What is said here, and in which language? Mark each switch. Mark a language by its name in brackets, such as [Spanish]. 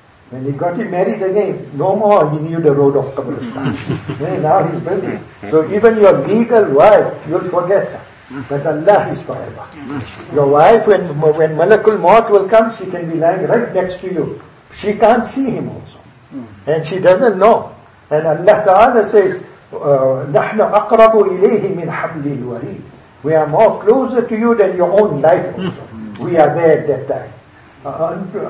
[English] When he got him married again, no more he knew the road of Qabristan. Now he's busy. So even your legal wife, you'll forget her. But Allah is forever. Your wife, when Malakul Maut will come, she can be lying right next to you. She can't see him also. And she doesn't know. And Allah Ta'ala says, [Arabic] نَحْنُ أَقْرَبُ إِلَيْهِ مِنْ حَبْلِ الْوَرِيدِ. [English] We are more closer to you than your own life also. We are there at that time.